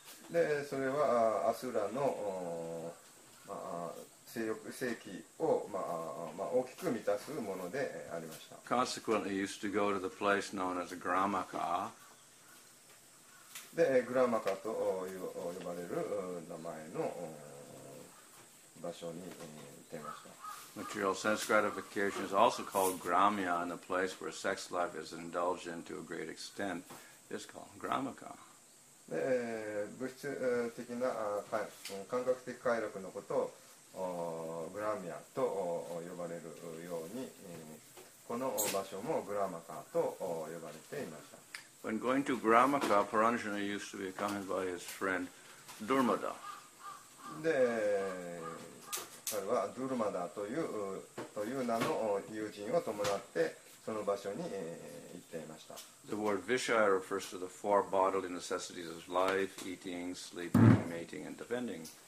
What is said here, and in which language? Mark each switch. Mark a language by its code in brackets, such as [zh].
[ja] で、それはアスラの、まあ、性欲、性器を、まあまあ、大きく満たすものでありました。 [en] Consequently, he used to go to the place known as Gramaka. [ja] で、グラマカと呼ばれる名前の場所に行ってました。 [en] Material sense gratification is also called Gramya, and the place where sex life is indulged in to a great extent is called Gramaka. [ja] で物質的な感覚的快楽のことをグラミアと呼ばれるようにこの場所もグラマカと呼ばれていました。 [en] When going to Gramaka, Paranjana used to be accompanied by his friend Durmada. [ja] で彼はドゥルマダという名の友人を伴ってその場所に行っていました。 [en] The word Vishaya refers to the four bodily necessities of life, eating, sleeping, mating, and defending.